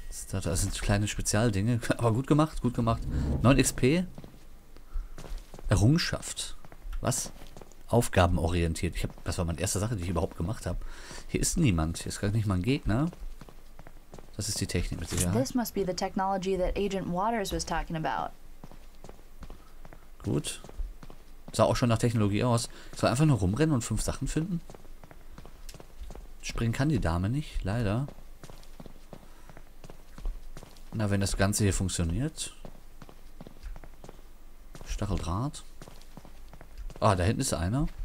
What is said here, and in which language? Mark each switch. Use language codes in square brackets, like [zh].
[de] Das sind kleine Spezialdinge, aber gut gemacht, gut gemacht. 9 XP. Errungenschaft. Was? Aufgabenorientiert. Das war meine erste Sache, die ich überhaupt gemacht habe. Hier ist niemand. Hier ist gar nicht mal ein Gegner. Das ist die Technik mit Sicherheit. [en] This must be the technology that Agent Waters was talking about. [de] Gut. Sah auch schon nach Technologie aus. Ich soll einfach nur rumrennen und 5 Sachen finden? Springen kann die Dame nicht, leider. Na, wenn das Ganze hier funktioniert. Stacheldraht. Ah, da hinten ist einer.